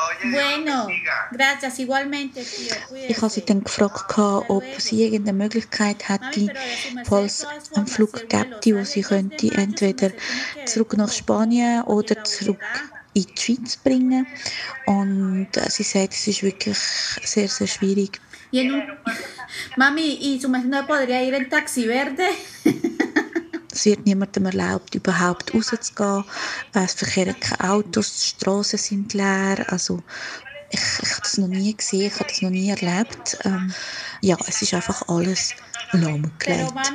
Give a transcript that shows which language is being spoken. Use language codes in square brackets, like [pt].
[es] Bueno, gracias, igualmente, tío. [de] Ich habe sie dann gefragt, ob sie irgendeine Möglichkeit hätte, falls ein Flug gäbe, wo sie könnte, entweder zurück nach Spanien oder zurück in die Schweiz bringen. Und sie sagt, es ist wirklich sehr, sehr schwierig. [es] Mami, ¿y su merced podría ir en Taxi Verde? [de] Es wird niemandem erlaubt, überhaupt rauszugehen. Es verkehren keine Autos, die Strassen sind leer. Also, ich habe das noch nie gesehen, ich habe das noch nie erlebt. Ja, es ist einfach alles lahmgelegt.